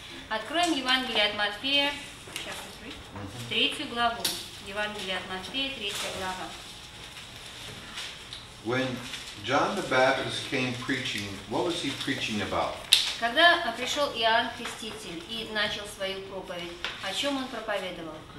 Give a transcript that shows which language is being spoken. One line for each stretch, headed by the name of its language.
Russian: Откроем Евангелие от Матфея,
English: chapter 3,
Russian: третью главу. Евангелие от Матфея, третья глава.
English: When John the Baptist came preaching, what was he preaching about?
Russian: Когда пришел Иоанн Креститель и начал свою проповедь, о чем он проповедовал?